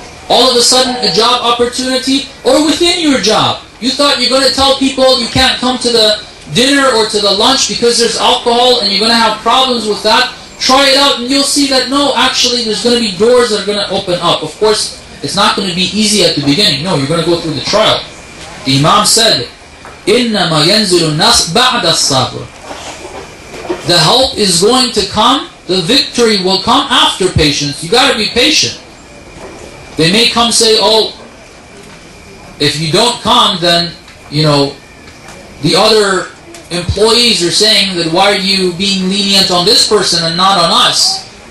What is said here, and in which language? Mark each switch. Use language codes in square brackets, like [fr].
[en] All of a sudden, a job opportunity, or within your job. You thought you're going to tell people you can't come to the dinner or to the lunch because there's alcohol and you're going to have problems with that. Try it out and you'll see that no, actually there's going to be doors that are going to open up. Of course, it's not going to be easy at the beginning. No, you're going to go through the trial. The Imam said, [ar] إِنَّمَا يَنْزِلُ النَّاسِ بَعْدَ الصَّبْرِ. [en] The help is going to come, the victory will come after patience. You got to be patient. They may come say, oh, if you don't come, then, you know, the other employees are saying that why are you being lenient on this person and not on us?